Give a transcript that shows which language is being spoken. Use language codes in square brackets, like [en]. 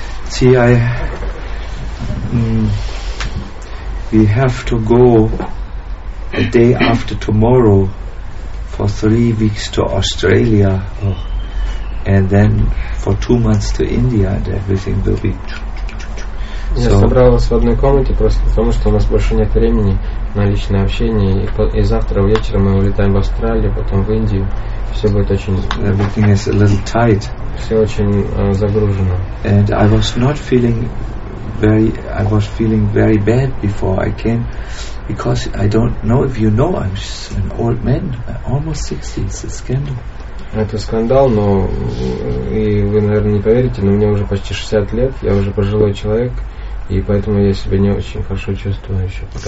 [en] See, we have to go a day after tomorrow for 3 weeks to Australia. Oh. And then for 2 months to India, and everything will be... [ru] Я собрал вас в одной комнате просто потому, что у нас больше нет времени на личное общение. И завтра вечером мы улетаем в Австралию, потом в Индию. Все будет очень... [en] Everything is a little tight. [ru] Все очень загружено. [en] And I was not feeling very... I was feeling very bad before I came. Because I don't know if you know, I'm just an old man. Almost 60. It's a scandal. [ru] Это скандал, но и вы, наверное, не поверите, но мне уже почти 60 лет, я уже пожилой человек, и поэтому я себя не очень хорошо чувствую еще.